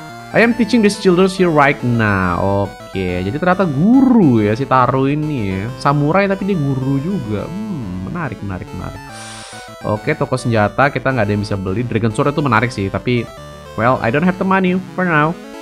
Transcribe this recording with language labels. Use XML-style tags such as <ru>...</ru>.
<en>I am teaching these children here right now. Okay.</en> <id>Jadi ternyata guru ya si Taro ini ya. Samurai tapi dia guru juga. Menarik. Oke, toko senjata kita nggak ada yang bisa beli.</id> <en>Dragon Sword</en> <id>itu menarik sih, tapi</id> <en>well, I don't have the money for now.</en>